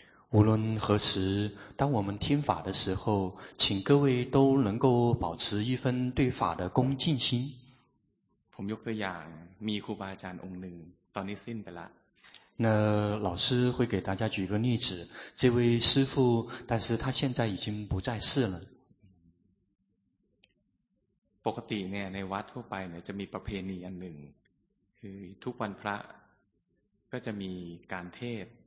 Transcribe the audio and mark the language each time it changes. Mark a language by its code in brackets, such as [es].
[zh] 无论何时当我们听法的时候请各位都能够保持一份对法的恭敬心 [th] ผมยกตัวอย่างมีครูบาอาจารย์องค์หนึ่งตอนนี้สิ้นไปละ [zh] 那老师会给大家举个例子这位师父但是他现在已经不在世了 [th] ปกติเนี่ยในวัดทั่วไปเนี่ยจะมีประเพณีอันหนึ่งคือทุกวันพระก็จะมีการเทศ